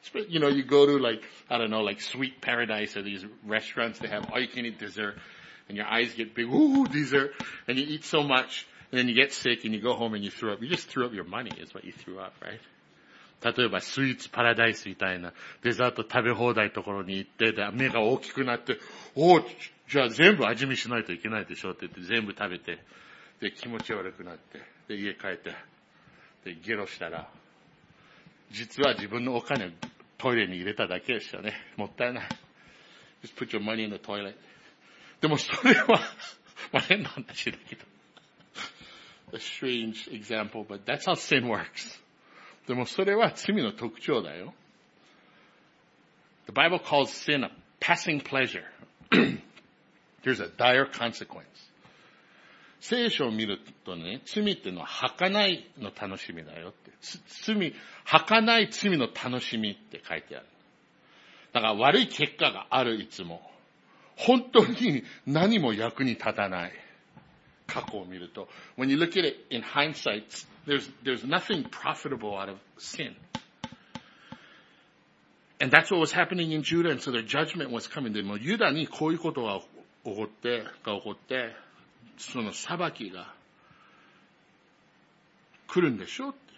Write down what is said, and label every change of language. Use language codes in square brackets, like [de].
[en] You know, you go to like, I don't know, like Sweet Paradise or these restaurants, they have all you can eat dessert, and your eyes get big, ooh, dessert, and you eat so much, and then you get sick, and you go home and you throw up. You just threw up your money is what you threw up, right? [ja] 例えば、スイーツパラダイスみたいなデザート食べ放題ところに行って、目が大きくなって、おお、じゃあ全部味見しないといけないでしょって言って、全部食べて、で、気持ち悪くなって、で、家帰って、で、ゲロしたら、実は自分のお金をトイレに入れただけでしたね。もったいない。 [en] Just put your money in the toilet. [ja] でもそれは、まあ変な話だけど。 [en] A strange example, but that's how sin works. [ja] でもそれは罪の特徴だよ。 [en] The Bible calls sin a passing pleasure. There's a dire consequence. [ja] 聖書を見るとね、罪ってのは儚いの楽しみだよって。罪、儚い罪の楽しみって書いてある。だから悪い結果があるいつも。本当に何も役に立たない。過去を見ると。 [en] When you look at it in hindsight,There's nothing profitable out of sin. And that's what was happening in Judah, and so their judgment was coming. [ja] でも、ユダにこういうことが起こって、その裁きが来るんでしょう。